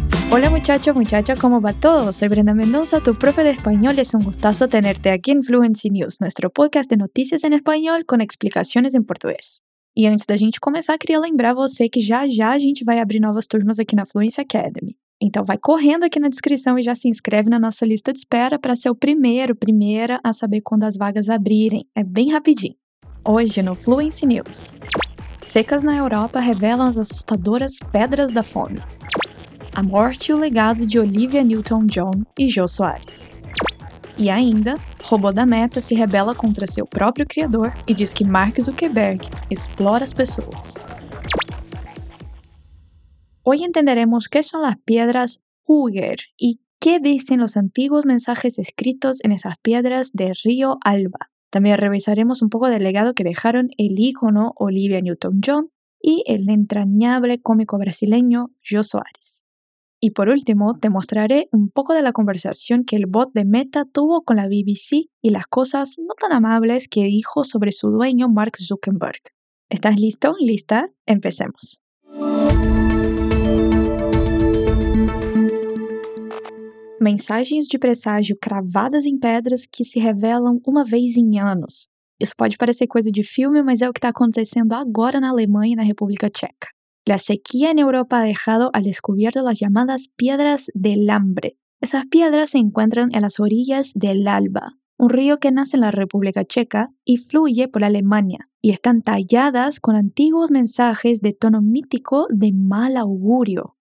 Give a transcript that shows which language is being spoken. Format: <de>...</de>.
<es>Hola muchachos, muchachas, ¿cómo va todo? Soy Brenda Mendoza, tu profe de español. Es un gustazo tenerte aquí en Fluency News, nuestro podcast de noticias en español con explicaciones en portugués.</es> <pt>E antes da gente começar, queria lembrar você que já a gente vai abrir novas turmas aqui na Fluency Academy. Então vai correndo aqui na descrição e já se inscreve na nossa lista de espera para ser o primeira a saber quando as vagas abrirem. É bem rapidinho. Hoje no Fluency News. Secas na Europa revelam as assustadoras pedras da fome. A morte e o legado de Olivia Newton-John e Jô Soares. E ainda, robô da Meta se rebela contra seu próprio criador e diz que Mark Zuckerberg explora as pessoas.</pt> <es>Hoy entenderemos qué son las piedras Huger y qué dicen los antiguos mensajes escritos en esas piedras de Río Alba. También revisaremos un poco del legado que dejaron el ícono Olivia Newton-John y el entrañable cómico brasileño Jô Soares. Y por último, te mostraré un poco de la conversación que el bot de Meta tuvo con la BBC y las cosas no tan amables que dijo sobre su dueño Mark Zuckerberg. ¿Estás listo? ¿Lista? Empecemos.</es> <pt>Mensagens de presságio cravadas em pedras que se revelam uma vez em anos. Isso pode parecer coisa de filme, mas é o que está acontecendo agora na Alemanha e na República Tcheca.</pt> <es>La sequía en Europa ha dejado al descubierto las llamadas piedras del hambre. Esas piedras se encuentran en las orillas del Alba, un río que nace en la República Checa y fluye por Alemania, y están talladas con antiguos mensajes de tono mítico de mal augurio.</es>